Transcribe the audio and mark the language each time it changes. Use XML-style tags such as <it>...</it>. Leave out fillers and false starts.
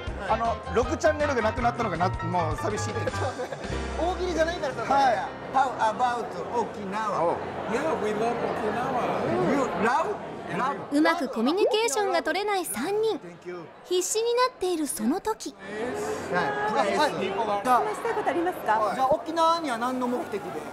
<ja>あの6チャンネルがなくなったのがなもう寂しい。大喜利じゃないからさ。はい。</ja> <en>How about 沖縄？ Yeah, we love 沖縄。 You love？</en> <ja>うまくコミュニケーションが取れない3人。必死になっているその時。はい。話したいことありますか？じゃあ沖縄には何の目的で？</ja>